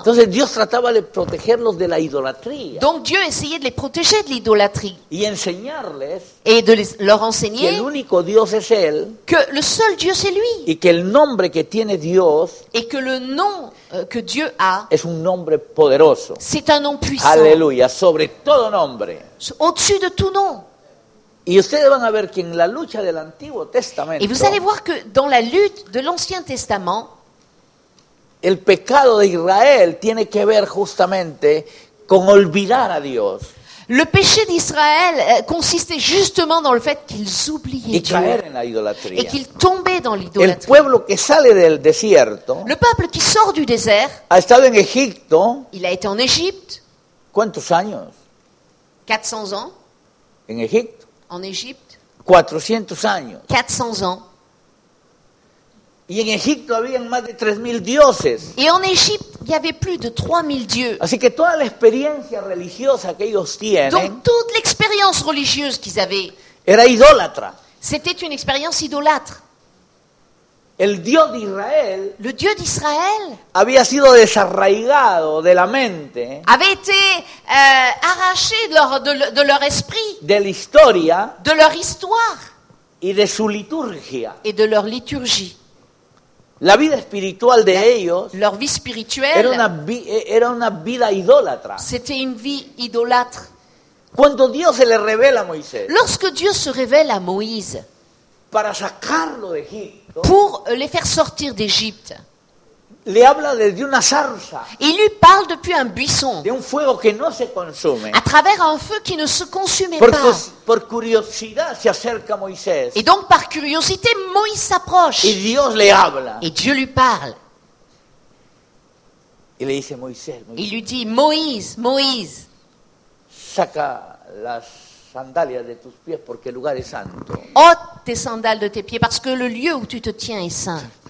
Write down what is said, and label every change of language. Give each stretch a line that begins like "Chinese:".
Spanish: Entonces, Dios trataba de protegerlos de la idolatría.
French: Donc Dieu essayait de les protéger de l'idolatrie.
Spanish: Y enseñarles.
French: Et de les, leur enseigner.
Spanish: Que el único Dios es él.
French: Que le seul Dieu c'est lui.
Spanish: Y que el nombre que tiene Dios.
French: Et que le nom que Dieu a.
Spanish: Es un nombre poderoso.
French: C'est un nom puissant.
Spanish: Aleluya, sobre todo nombre.
French: Au-dessus de tout nom.
Spanish: Y ustedes van a ver que en la lucha del Antiguo Testamento.
French: Et vous allez voir que dans la lutte de l'Ancien Testament,
Spanish: el pecado de Israel tiene que ver justamente con olvidar a Dios.
French: Le péché d'Israël consistait justement dans le fait qu'ils oubliaient Dieu.
Spanish: Y caer en la idolatría.
French: Et qu'ils tombaient dans l'idolâtrie.
Spanish: El pueblo que sale del desierto.
French: Le peuple qui sort du désert.
Spanish: Ha estado en Egipto.
French: Il a été en Égypte.
Spanish: ¿Cuántos años?
French: 400 ans.
Spanish: En Egipto.
French: En Égypte.
Spanish: 400 años.
French: 400 ans.
Spanish: Y en Egipto habían más de 3000 dioses.
French: Et en Égypte, il y avait plus de 3000 dieux.
Spanish: Así que toda la experiencia religiosa que ellos tienen.
French: Donc toute l'expérience religieuse qu'ils avaient.
Spanish: Era idólatra.
French: C'était une expérience idolâtre.
Spanish: El Dios de Israel.
French: Le Dieu d'Israël.
Spanish: Había sido desarraigado de la mente.
French: Avait été arraché de leur esprit.
Spanish: De la historia.
French: De leur histoire.
Spanish: Y de su liturgia.
French: Et de leur liturgie.
Spanish: La vida espiritual de ellos.
French: Leur vie spirituelle.
Spanish: Era una vida idólatra.
French: C'était une vie idolâtre.
Spanish: Cuando Dios se le revela a Moisés.
French: Lorsque Dieu se révèle à Moïse.
Spanish: Para sacarlo de Egipto.
French: Pour les faire sortir d'Égypte.
Spanish: Le habla desde una zarza.
French: Il lui parle depuis un buisson.
Spanish: De un fuego que no se consume.
French: À travers un feu qui ne se consumait pas.
Spanish: Por curiosidad se acerca Moisés.
French: Et donc par curiosité Moïse s'approche.
Spanish: Y Dios le habla.
French: Et Dieu lui parle.
Spanish: Y le dice Moisés, Moisés.
French: Il lui dit Moïse, Moïse.
Spanish: Saca las sandalias de tus pies porque el lugar es santo.
French: Ôte tes sandales de tes pieds parce que le lieu où tu te tiens est saint.